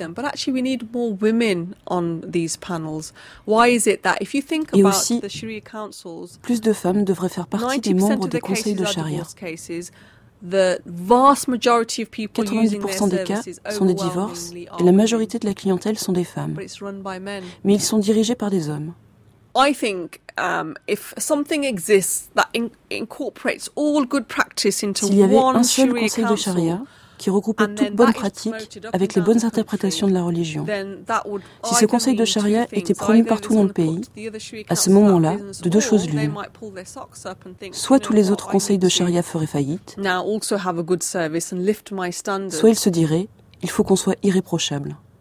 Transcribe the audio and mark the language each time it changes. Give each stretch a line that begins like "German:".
French: Et aussi, plus de femmes devraient faire partie des membres des conseils de charia. 90% des cas sont des divorces et la majorité de la clientèle sont des femmes. Mais ils sont dirigés par des hommes.
English: I think if something exists that incorporates all good practice into one Sharia council,
French: s'il y avait un seul conseil de charia qui regroupe toutes bonnes pratiques avec les bonnes interprétations de la religion, si ce conseil de charia était promu partout dans le pays, à ce moment-là, de deux choses l'une. Soit tous les autres conseils de charia feraient faillite, soit ils se diraient, il faut qu'on soit irréprochable.